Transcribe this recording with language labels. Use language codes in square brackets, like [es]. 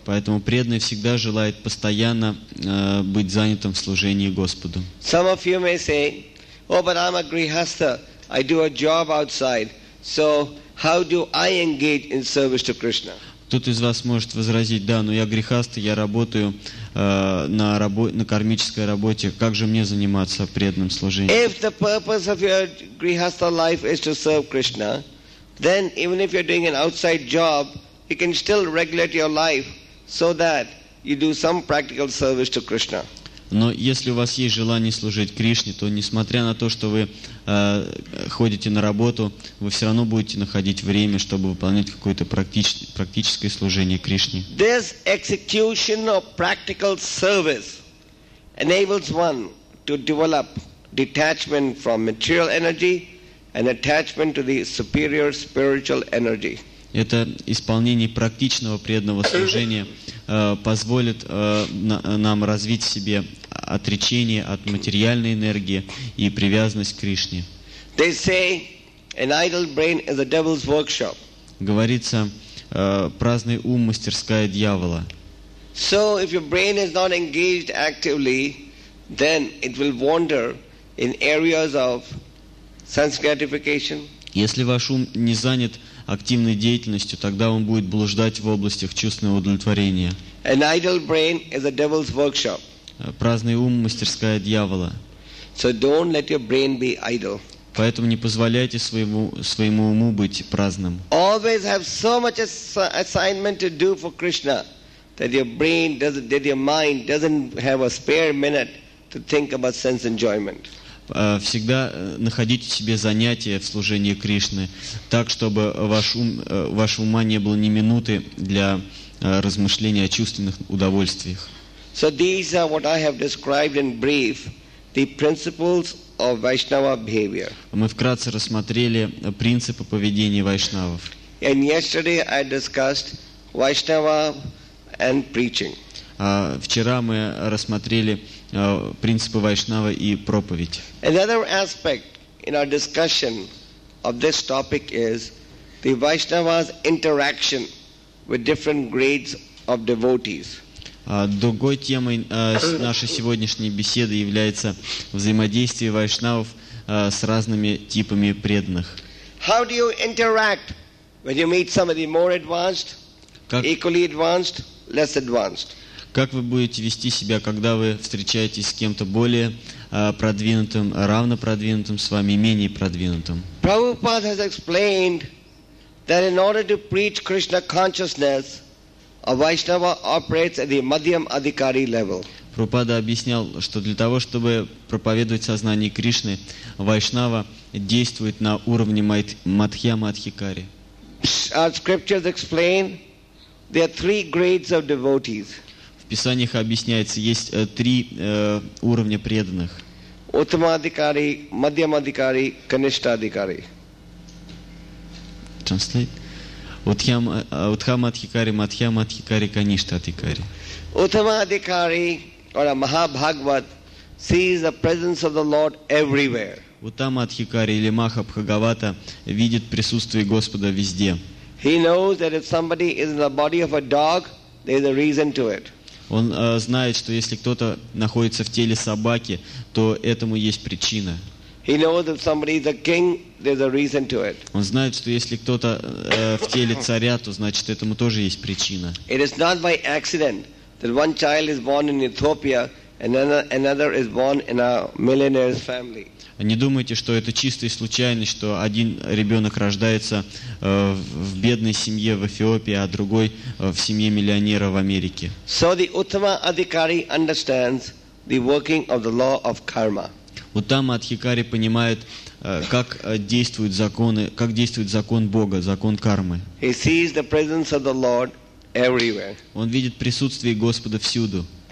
[ru] Поэтому преданный всегда желает постоянно быть занятым в служении Господу. [en] Some of you may say, oh, but I'm a grihastha, I do a job outside, so how do I engage in service to Krishna? [ru] Тут из вас может возразить, да, но я грехаста, я работаю на кармической работе. Как же мне заниматься преданным служением? [en] If the purpose of your grihastha life is to serve Krishna, then even if you're doing an outside job, you can still regulate your life so that you do some practical service to Krishna. [ru] Но если у вас есть желание служить Кришне, то несмотря на то, что вы ходите на работу, вы все равно будете находить время, чтобы выполнять какое-то практическое служение Кришне. [en] This execution of practical service enables one to develop detachment from material energy and attachment to the superior spiritual energy. [ru] Это исполнение практичного преданного служения позволит нам развить в себе отречение от материальной энергии и привязанность к Кришне. [en] They say, an idle brain is a devil's workshop. [ru] Говорится, праздный ум – мастерская дьявола. [en] So if your brain is not engaged actively, then it will wander in areas of sense gratification. [ru] Если ваш ум не занят активной деятельностью, тогда он будет блуждать в областях чувственного удовлетворения. [en] An idle brain is a devil's workshop. [ru] Праздный ум – мастерская дьявола. [en] So don't let your brain be idle. [ru] Поэтому не позволяйте своему уму быть праздным. [en] Always have so much assignment to do for Krishna that your mind doesn't have a spare minute to think about sense enjoyment. [ru] Всегда находите себе занятия в служении Кришны, так, чтобы ваш ума не было ни минуты для размышления о чувственных удовольствиях. [en] So these are what I have described in brief, the principles of Vaishnava behavior. [ru] Мы вкратце рассмотрели принципы поведения вайшнавов. [en] And yesterday I discussed Vaishnava and preaching. [ru] Вчера мы рассмотрели принципы вайшнава и проповедь. [en] Another aspect in our discussion of this topic is the Vaishnava's interaction with different grades of devotees. [ru] Другой темой нашей сегодняшней беседы является взаимодействие вайшнавов с разными типами преданных. [en] How do you interact when you meet somebody more advanced, equally advanced, less advanced? [ru] Как вы будете вести себя, когда вы встречаетесь с кем-то более продвинутым, равно продвинутым с вами, менее продвинутым? [en] Prabhupada has explained that in order to preach Krishna consciousness, a Vaishnava operates at the Madhyam Adhikari level. [ru] Prabhupada объяснял, что для того, чтобы проповедовать сознание Кришны, Вайшнава действует на уровне Мадхьяма Адхикари. [en] Our scriptures explain there are three grades of devotees. [ru] В Писаниях объясняется, есть три уровня преданных. [en] Uttama Adhikari, Madhyam Adhikari, Kanishtha Adhikari. Translate. Uttama Adhikari, Madhyam Adhikari, Kanishtha Adhikari. Uttama Adhikari or a Mahabhagavat sees the presence of the Lord everywhere. [ru] Uttama Adhikari или Mahabhagavata видит присутствие Господа везде. [en] He knows that if somebody is in the body of a dog, there is a reason to it. [ru] Он знает, что если кто-то находится в теле собаки, то этому есть причина. [en] He knows that if somebody is a king, there's a reason to it. [ru] Он знает, что если кто-то в теле царя, то значит этому тоже есть причина. [en] It is not by accident that one child is born in Ethiopia and another is born in a millionaire's family. [ru] Не думайте, что это чистая случайность, что один ребенок рождается в бедной семье в Эфиопии, а другой в семье миллионера в Америке. [en] So the Uttama Adhikari understands the working of the law of karma. [ru] Uttama Adhikari понимает, как действует закон Бога, закон кармы. [en] He sees the presence of the Lord everywhere. [ru] Он видит присутствие Господа всюду.